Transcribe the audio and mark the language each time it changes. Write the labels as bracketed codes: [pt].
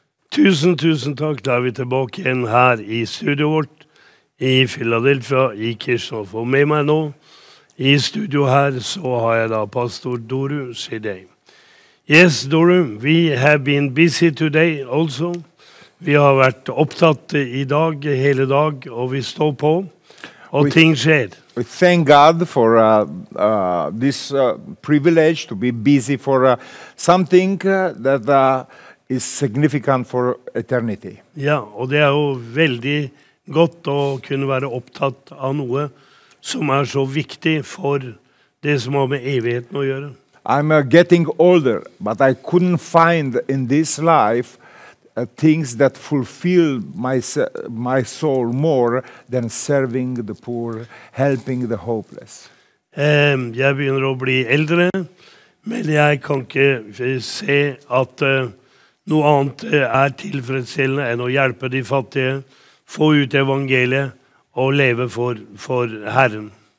[no] Tusen, tusen takk. Da vi tilbake igjen her i studio vårt i Philadelphia, i Kirchhoff. Og med meg nå i studio her, så har jeg da pastor Doru Shidei. [en] Yes, Doru, we have been busy today also. [no] Vi har vært opptatt i dag, hele dag, og vi står på, og ting skjer. [en] We thank God for this privilege to be busy for something that is significant for eternity. [no] Ja, og det jo veldig godt å kunne være opptatt av noe som så viktig for det som har med evigheten å gjøre. [en] I'm getting older, but I couldn't find in this life things that fulfill my soul more than serving the poor, helping the hopeless. [no] Jeg begynner å bli eldre, men jeg kan ikke se at noe annet tilfredsstillende enn å hjelpe de fattige, få ut evangeliet og leve for Herren.